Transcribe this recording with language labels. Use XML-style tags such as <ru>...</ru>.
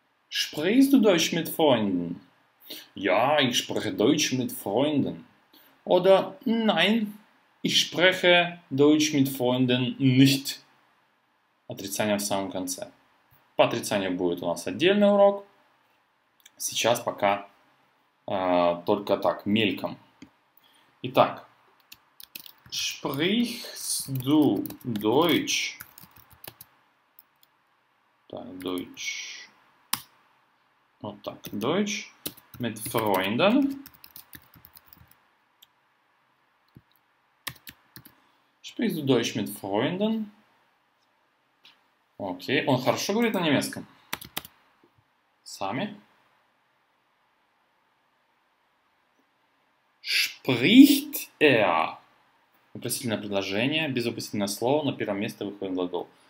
<de>Sprichst du Deutsch mit Freunden? Ja, ich spreche Deutsch mit Freunden. Oder nein, ich spreche Deutsch mit Freunden nicht.</de> <ru>Отрицание в самом конце. По отрицанию будет у нас отдельный урок. Сейчас пока только так, мельком. Итак.</ru> <de>Sprichst du Deutsch?</de> <ru>Так, Deutsch. Вот так,</ru> <de>Deutsch mit Freunden. Sprichst du Deutsch mit Freunden?</de> <ru>Окей, он хорошо говорит на немецком? Сами?</ru> <de>Spricht er?</de> <ru>Вопросительное предложение, без вопросительного слова, на первое место выходит глагол.</ru>